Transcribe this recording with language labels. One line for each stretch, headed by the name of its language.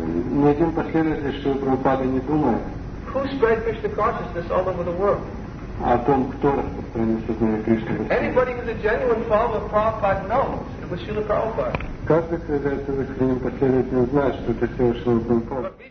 Russian: Ни один последователь Шриле Прабхупады не думает.
English: Who spread Krishna consciousness all over the world?
Russian: О том, кто распространил сознание Кришны.
English: Anybody who's a genuine follower of Prabhupada knows it was Srila Prabhupada.
Russian: Каждый, кто является искренним последователем, знает, что это Srila Prabhupada.